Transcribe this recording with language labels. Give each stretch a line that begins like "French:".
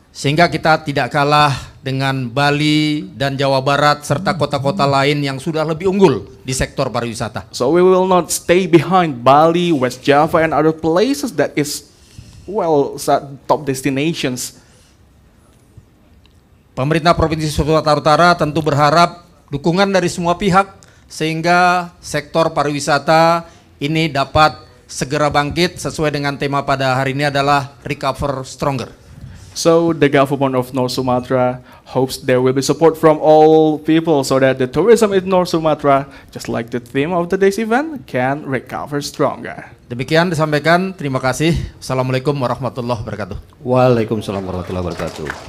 Indonesian: Sehingga kita tidak kalah dengan Bali dan Jawa Barat serta kota-kota lain yang sudah lebih unggul di sektor pariwisata.
English: So we will not stay behind Bali, West Java and other places that is well top destinations.
Indonesian: Pemerintah Provinsi Sumatera Utara tentu berharap dukungan dari semua pihak sehingga sektor pariwisata ini dapat segera bangkit sesuai dengan tema pada hari ini adalah Recover Stronger.
English: So the government of North Sumatra hopes there will be support from all people so that the tourism in North Sumatra, just like the theme of today's event, can recover stronger.
Indonesian: Demikian disampaikan, terima kasih. Assalamualaikum warahmatullahi wabarakatuh. Waalaikumsalam warahmatullahi wabarakatuh.